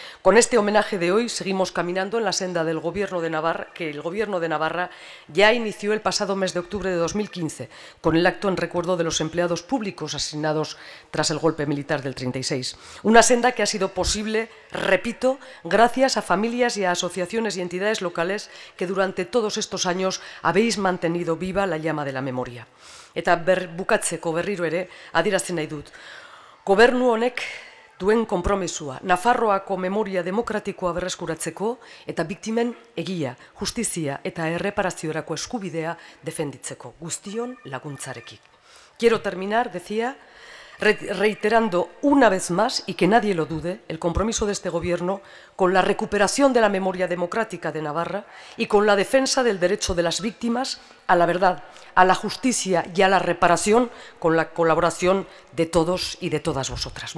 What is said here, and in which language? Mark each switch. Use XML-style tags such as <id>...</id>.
<es>Con este homenaje de hoy seguimos caminando en la senda del Gobierno de Navarra, que el Gobierno de Navarra ya inició el pasado mes de octubre de 2015 con el acto en recuerdo de los empleados públicos asesinados tras el golpe militar del 36. Una senda que ha sido posible, repito, gracias a familias y a asociaciones y entidades locales que durante todos estos años habéis mantenido viva la llama de la memoria.</es> <eu>Eta bukatzeko berriro ere adierazten nahi dut. Gobernu honek duen konpromisua, Nafarroako memoria demokratikoa berreskuratzeko eta biktimen egia, justizia eta erreparaziorako eskubidea defenditzeko, guztion laguntzarekin.</eu> <es>Quiero terminar, decía, reiterando una vez más, y que nadie lo dude, el compromiso de este gobierno con la recuperación de la memoria democrática de Navarra y con la defensa del derecho de las víctimas a la verdad, a la justicia y a la reparación con la colaboración de todos y de todas vosotras.</es>